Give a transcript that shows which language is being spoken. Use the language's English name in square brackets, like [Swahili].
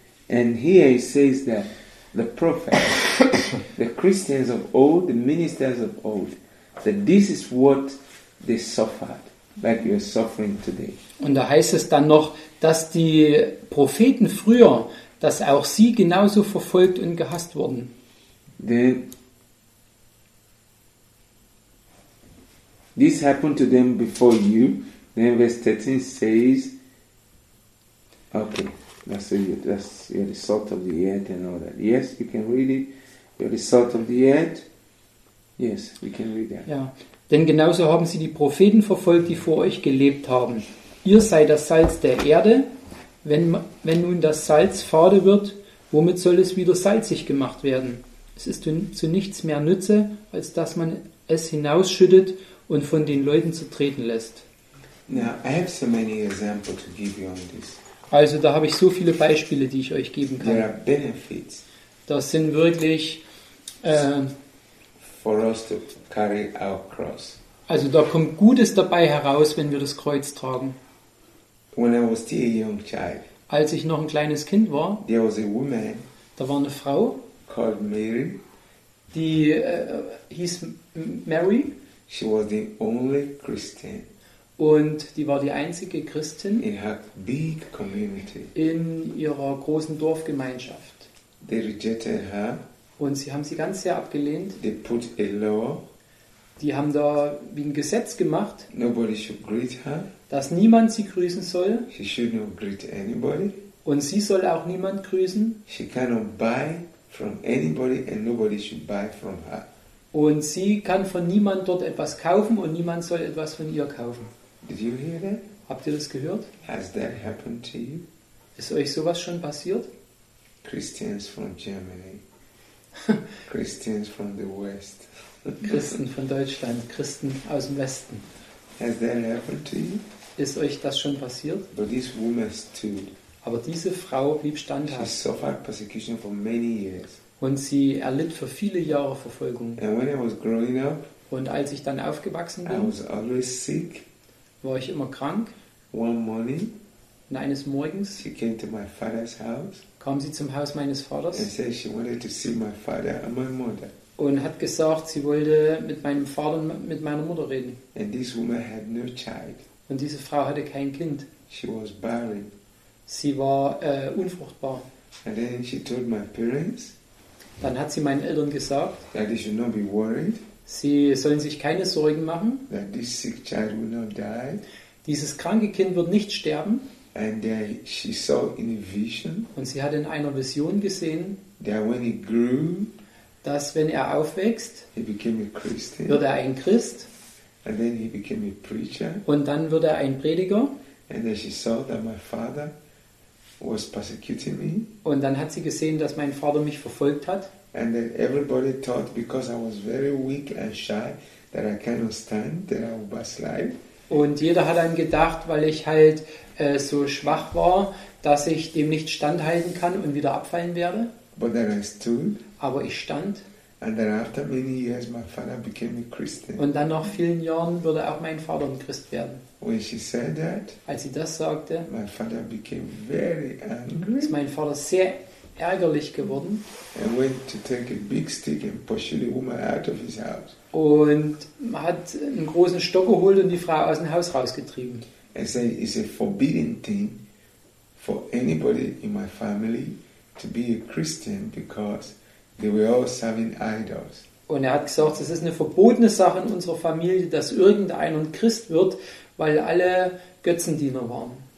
[English] And here he says that the prophets, the Christians of old, the ministers of old, that this is what they suffered, like you are suffering today. [German] Und da heißt es dann noch, dass die Propheten früher, dass auch sie genauso verfolgt und gehasst wurden. [English] Then, this happened to them before you. Then verse 13 says, okay. That's you're the salt of the earth and all that. Yes, you can read it. You're the salt of the earth. Yes, we can read that. [German] Ja, denn genauso haben sie die Propheten verfolgt, die vor euch gelebt haben. Ihr seid das Salz der Erde. Wenn nun das Salz fade wird, womit soll es wieder salzig gemacht werden? Es ist zu nichts mehr Nütze, als dass man es hinausschüttet und von den Leuten zertreten lässt. [English] Now, I have so many examples to give you on this. [German] Also da habe ich so viele Beispiele, die ich euch geben kann. [English] There are benefits. [German] Das sind wirklich [English] for us to carry our cross. [German] Also da kommt Gutes dabei heraus, wenn wir das Kreuz tragen. [English] When I was still a young child, [German] als ich noch ein kleines Kind war, [English] there was a woman, [German] da war eine Frau [English] called Mary, [German] die hieß Mary. [English] She was the only Christian. [German] Und die war die einzige Christin [English] in, her big community. [German] In ihrer großen Dorfgemeinschaft. [English] They rejected her. [German] Und sie haben sie ganz sehr abgelehnt. [English] They put a law. [German] Die haben da wie ein Gesetz gemacht, [English] nobody should greet her. [German] Dass niemand sie grüßen soll. [English] She should not greet anybody. [German] Und sie soll auch niemand grüßen. [English] She cannot buy from anybody and nobody should buy from her. [German] Und sie kann von niemand dort etwas kaufen und niemand soll etwas von ihr kaufen. [English] Did you hear that? [German] Habt ihr das gehört? [English] Has that happened to you? [German] Ist euch sowas schon passiert? [English] Christians from Germany. Christians from the West. [German] Christen von Deutschland, Christen aus dem Westen. [English] Has that happened to you? [German] Ist euch das schon passiert? [English] But this woman stood. [German] Aber diese Frau blieb standhaft. [English] She suffered persecution for many years. [German] Und sie erlitt für viele Jahre Verfolgung. [English] And when I was growing up, [German] und als ich dann aufgewachsen bin, [English] I was always sick. [German] War ich immer krank. [English] One morning, [German] und eines Morgens, [English] she came to my father's house, [German] kam sie zum Haus meines Vaters [English] and said she wanted to see my father and my mother. [German] Und hat gesagt, sie wollte mit meinem Vater und mit meiner Mutter reden. [English] And this woman had no child. [German] Und diese Frau hatte kein Kind. [English] She was barren. [German] Sie war unfruchtbar. [English] And then she told my parents, [German] dann hat sie meinen Eltern gesagt, [English] that they should not be worried, [German] sie sollen sich keine Sorgen machen, [English] that this sick child will not die, [German] dieses kranke Kind wird nicht sterben. [English] And there she saw in a vision, [German] und sie hat in einer Vision gesehen, [English] that when he grew, [German] dass wenn er aufwächst, [English] he became a Christian, [German] wird er ein Christ. [English] And then he became a preacher, [German] und dann wird er ein Prediger. [English] And then she saw that my father was persecuting me. [German] Und dann hat sie gesehen, dass mein Vater mich verfolgt hat. [English] And then everybody thought, because I was very weak and shy, that I cannot stand, that I will backslide. [German] Und jeder hat dann gedacht, weil ich halt so schwach war, dass ich dem nicht standhalten kann und wieder abfallen werde. [English] But then I stood. [German] Aber ich stand. [English] And then after many years, my father became a Christian. [German] Und dann nach vielen Jahren würde auch mein Vater ein Christ werden. [English] When she said that, [German] als sie das sagte, [English] my father became very angry. [German] Ist mein Vater sehr ärgerlich geworden. [English] And went to take a big stick and push the woman out of his house. [German] Und hat einen großen Stock geholt und die Frau aus dem Haus rausgetrieben. [English] And said, it's a forbidden thing for anybody in my family to be a Christian because they were all serving idols. [German] Und er hat gesagt, es ist eine verbotene Sache in unserer Familie, dass irgendeiner ein Christ wird, weil alle Götzendiener waren.